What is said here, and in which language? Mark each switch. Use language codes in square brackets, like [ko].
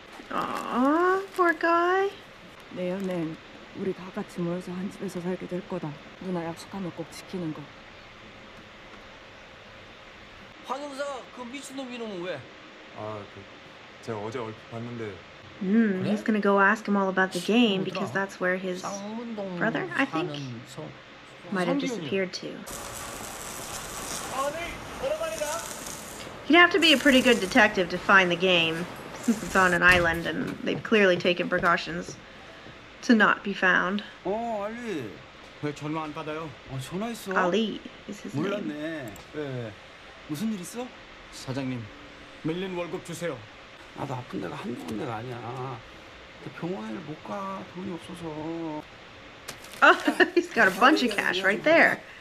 [en] 아, poor guy. [ko] 내년엔 우리 다 같이 모여서 한 집에서 살게 될 거다. 누나 약속하면 꼭 지키는 거. 환영사, 그 미친놈 이놈은 왜? 아, 그 제가 어제 얼핏 봤는데. [en] He's gonna go ask him all about the game because that's where his brother, I think, might have disappeared to. He'd have to be a pretty good detective to find the game since it's on an island and they've clearly taken precautions to not be found. Oh, Ali. Why don't you get a phone call? Ali is his name. I don't know. What's the matter? Sir, give me a million dollars. [ko] 나도 아픈 데가 한두 군데가 아니야. 병원에 못 가, 돈이 없어서. [en] Oh, he's got a bunch of cash right there.